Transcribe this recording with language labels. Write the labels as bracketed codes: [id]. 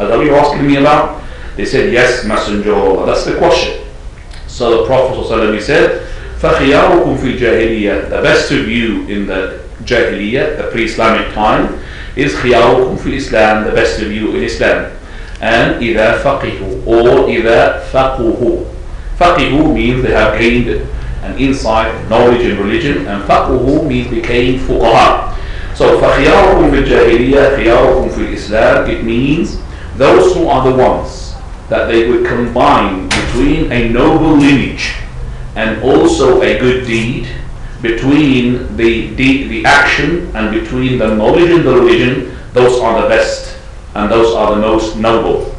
[en] Is that what you're asking me about? They said, yes, Messenger of Allah. That's the question. So the Prophet ﷺ, he said, [ar] فَخِيَارُكُمْ فِي الْجَاهِلِيَّةِ, [en] the best of you in the Jahiliyyah, the pre-Islamic time, is [ar] خِيَارُكُمْ فِي الْإِسْلَامِ, [en] the best of you in Islam. And [ar] إِذَا فَقِهُ, [en] or [ar] إِذَا فَقُهُ. [en] فَقِهُ means they have gained an insight, knowledge in religion, and فَقُهُ means became فُقَهَا. So [ar] فَخِيَارُكُمْ فِي الْجَاهِلِيَّةِ, خِيَارُكُمْ فِي الْإِسْلَامِ, [en] it means those who are the ones that they would combine between a noble lineage and also a good deed, between the deed, the action, and between the knowledge and the religion, those are the best and those are the most noble.